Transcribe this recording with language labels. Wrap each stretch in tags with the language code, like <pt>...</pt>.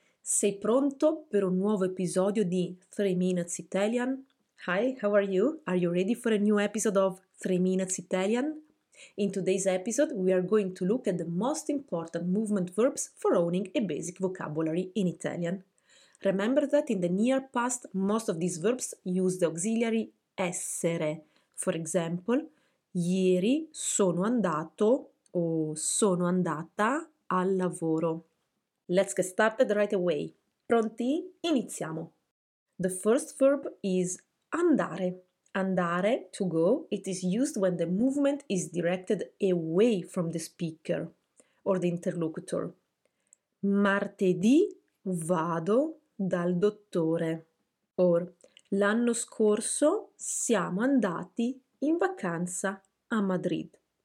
<it>Sei pronto per un nuovo episodio di 3 Minutes Italian?</it> <en>Hi, how are you? Are you ready for a new episode of 3 Minutes Italian? In today's episode, we are going to look at the most important movement verbs for owning a basic vocabulary in Italian. Remember that in the near past, most of these verbs use the auxiliary essere. For example,</en> <it>ieri sono andato o sono andata al lavoro.</it> <en>Let's get started right away.</en> <it>Pronti? Iniziamo.</it> <en>The first verb is andare. Andare, to go, it is used when the movement is directed away from the speaker or the interlocutor.</en> <it>Martedì vado dal dottore. Or, l'anno scorso siamo andati in vacanza a Madrid.</it>